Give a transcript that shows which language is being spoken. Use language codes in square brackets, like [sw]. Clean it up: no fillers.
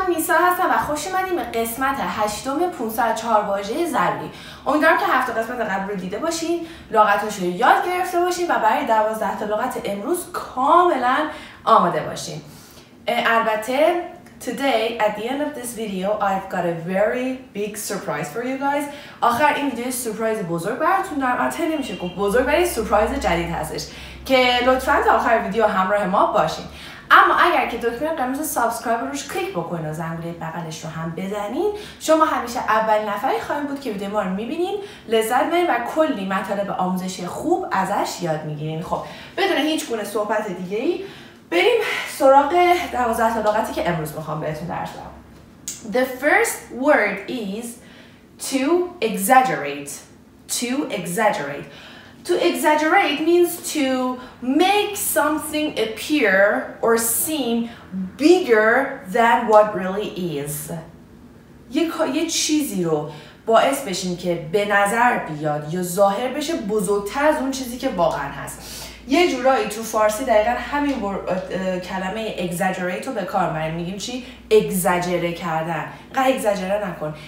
[fa] هستم و خوش اومدیم به قسمت هشتم 504 واژه ضروری. امیدوارم که هفته قسمت قبل رو دیده باشین، لغتاشو یاد گرفته باشین و برای 12 تا لغت امروز کاملا آماده باشین. البته [en] today at the end of this video I've got a very big surprise for you guys. [fa] آخر این ویدیو سورپرایز بزرگ براتون دارم، البته نمیشه گفت بزرگ، ولی سورپرایز جدید هستش که لطفاً تا آخر ویدیو همراه ما باشین. اما اگر که دکمه قرمز سابسکرایب روش کلیک بکنین و زنگوله بغلش رو هم بزنین، شما همیشه اول نفری خواهیم بود که ویدیو ما رو میبینین، لذت ببرین و کلی مطالب آموزشی خوب ازش یاد میگیرین. خب بدون هیچ گونه صحبت دیگه ای بریم سراغ 12 تا لغتی که امروز میخوام بهتون درس بدم. [en] The first word is to exaggerate. To exaggerate means to make something appear or seem bigger than what really is. [fa] یه چیزی رو باعث بشین که به نظر بیاد یا ظاهر بشه بزرگتر از اون چیزی که واقعا هست. یه جورایی تو فارسی دقیقا همین کلمه exaggerate رو به کار میبریم. میگیم چی؟ اگزاجره کردن. اینقدر اگزاجره نکن.